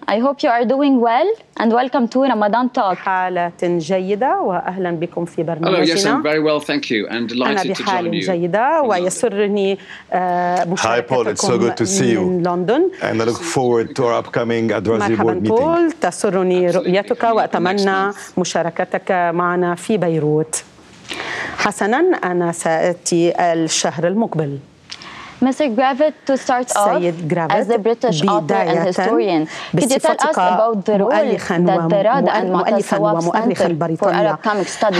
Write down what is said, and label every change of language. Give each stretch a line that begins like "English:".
English: I hope you are doing well and welcome to Ramadan Talk.
Arabic: حالة جيدة وأهلا بكم في برنامجنا.
English: Hello, yes, I'm very well, thank you, and delighted to join you.
Arabic: أنا بحالة جيدة ويسرني مشاركتكم.
English: Hi, Paul. It's so good to see you.
Arabic: من لندن.
English: And I look forward to our upcoming advisory board meeting.
Arabic: مرحبا بول. تسرني رؤيتك وأتمنى مشاركتك معنا في بيروت. حسناً أنا سأتي الشهر المقبل.
English: Mr. Gravett, to start off, as a British author and historian, could you tell us about the role that the Rada and Matasawab Center for Arab Comic Studies